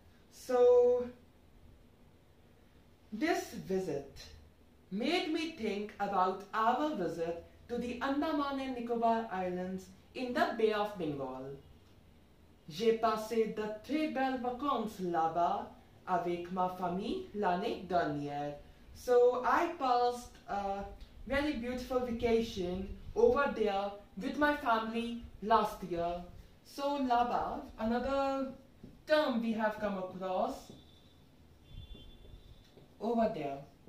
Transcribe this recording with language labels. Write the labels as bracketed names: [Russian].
[English] So, this visit made me think about our visit to the Andaman and Nicobar Islands in the Bay of Bengal. [French] J'ai passé de très belles vacances là-bas avec ma famille l'année dernière. [English] So, I passed a very beautiful vacation over there with my family last year. So l'Abav, another term we have come across, over there.